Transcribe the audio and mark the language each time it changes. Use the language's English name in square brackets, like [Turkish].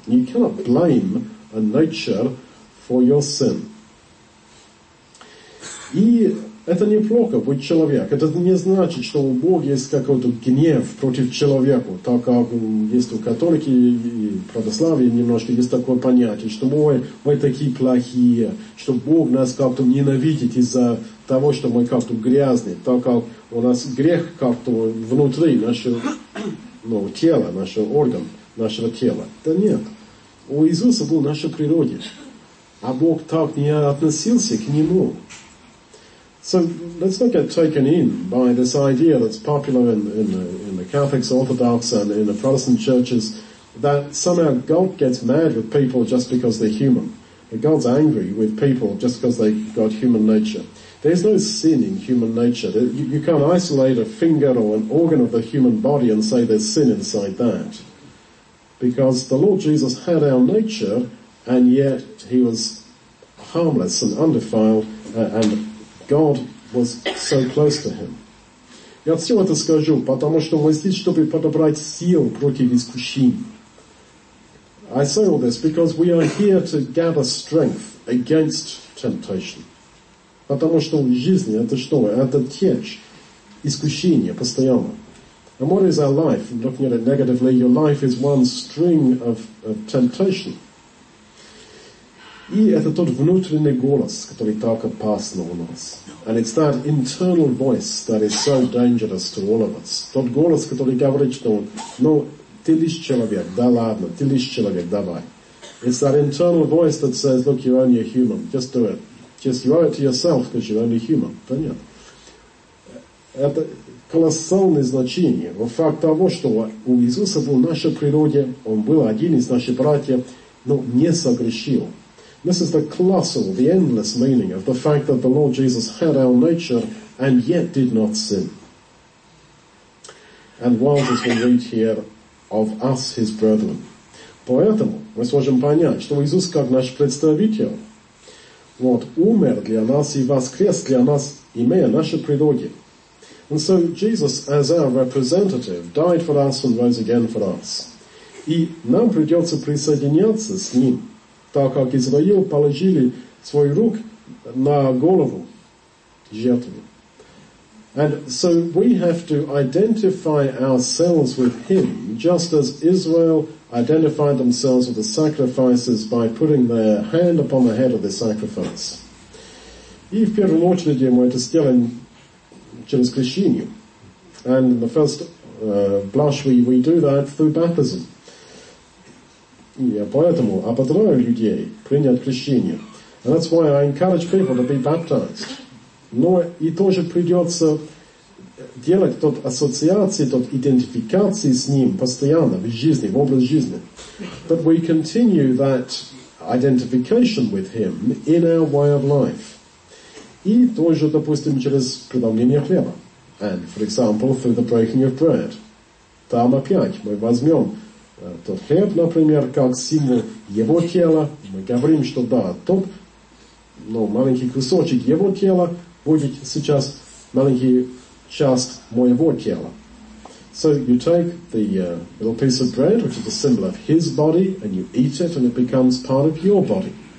[English] You cannot blame a nature for your sin. [Russian] И это неплохо быть человек. Это не значит, что у Бога есть какой-то гнев против человека, так как есть у католики и православии немножко есть такое понятие, что мы такие плохие, что Бог нас как-то ненавидит из-за того, что мы как-то грязные, так как у нас грех как-то внутри нашего, ну, тела, нашего органа, нашего тела. Да нет. У Иисуса был наша природа. А Бог так не относился к Нему. [English] So let's not get taken in by this idea that's popular in the Catholics, Orthodox, and in the Protestant churches, that somehow God gets mad with people just because they're human. God's angry with people just because they've got human nature. There's no sin in human nature. You can't isolate a finger or an organ of the human body and say there's sin inside that. Because the Lord Jesus had our nature, and yet he was harmless and undefiled, and God was so close to him. [Russian] Я все это скажу, потому что мы здесь, чтобы подобрать сил против искушений. [English] I say all this because we are here to gather strength against temptation. [Russian] Потому что в жизни это что? Это течь, искушение постоянно. [English] And what is our life? Looking at it negatively, your life is one string of temptation. [Russian] И это тот внутренний голос, который так опасен у нас. [English] And it's that internal voice that is so dangerous to all of us. [Russian] Тот голос, который говорит, что ну, ты лишь человек, да ладно, ты лишь человек, давай. [English] It's that internal voice that says, look, you're only a human, just do it. Just you owe it to yourself, because you're only human. [Russian] Понятно? Это колоссальное значение. Во факт того, что у Иисуса был в нашей природе, он был один из наших братьев, но не согрешил. [English] This is the colossal, the endless meaning of the fact that the Lord Jesus had our nature and yet did not sin. And was, as we read here, of us, his brethren. [Russian] Поэтому мы сможем понять, что Иисус как наш представитель. Вот, умер для нас и воскрес для нас, имея наше природе. [English] And so Jesus, as our representative, died for us and rose again for us. [Russian] И нам придется присоединяться с ним, так как Израил положили свой рук на голову жертвы. [English] And so we have to identify ourselves with him, just as Israel identified themselves with the sacrifices by putting their hand upon the head of the sacrifice. [Russian] И в первую очередь мы это сделаем через крещение. [English] And in the first blush we do that through baptism. [Russian] Я поэтому ободряю людей принять крещение. [English] And that's why I encourage people to be baptized. [Russian] Но и тоже придется делать тот ассоциации, тот идентификации с ним постоянно в жизни, в образ жизни. [English] But we continue that identification with him in our way of life. [Russian] И тоже, допустим, через преломление хлеба. [English] And, for example, through the breaking of bread. [Russian] Там опять мы возьмем тот хлеб, например, как символ его тела. Мы говорим, что да, тот маленький кусочек его тела будет сейчас маленький част моего тела. [English] So you take the little piece of bread, which is a symbol of his body, and you eat it, and it becomes part of your body.